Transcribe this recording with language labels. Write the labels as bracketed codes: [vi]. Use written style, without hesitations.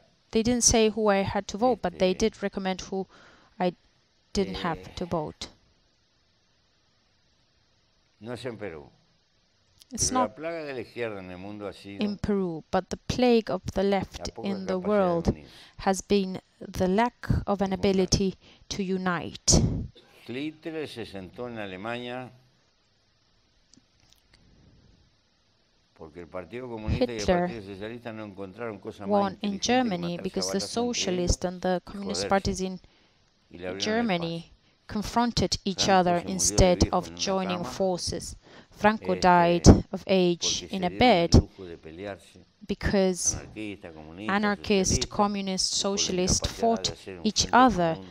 [en] They didn't say who I had to vote, but they did recommend who I didn't have to vote. [es] No es en Perú. [en] It's not in Peru, but the plague of the left in the world has been the lack of an ability to unite. [es] Hitler se sentó en Alemania porque el Partido Comunista y el Partido Socialista no encontraron cosa más inteligente. [en] Won in Germany because the socialist and the communist parties in Germany confronted each other instead of joining forces. Franco died of age in a bed because anarchist, communist, socialist fought each other.